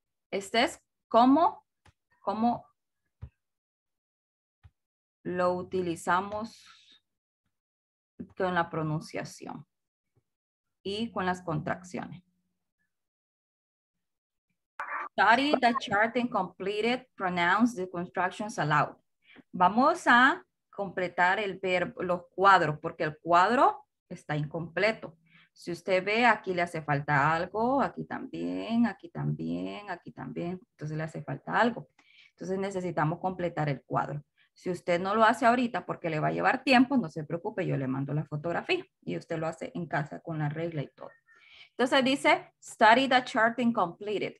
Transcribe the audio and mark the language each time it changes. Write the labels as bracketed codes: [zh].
[es] Este es cómo lo utilizamos con la pronunciación y con las contracciones. [en] Study the chart and completed pronouns the contractions aloud. [es] Vamos a completar los cuadros porque el cuadro está incompleto. Si usted ve, aquí le hace falta algo, aquí también, aquí también, aquí también. Entonces le hace falta algo. Entonces necesitamos completar el cuadro. Si usted no lo hace ahorita porque le va a llevar tiempo, no se preocupe, yo le mando la fotografía y usted lo hace en casa con la regla y todo. Entonces dice, [en] study the chart and complete it.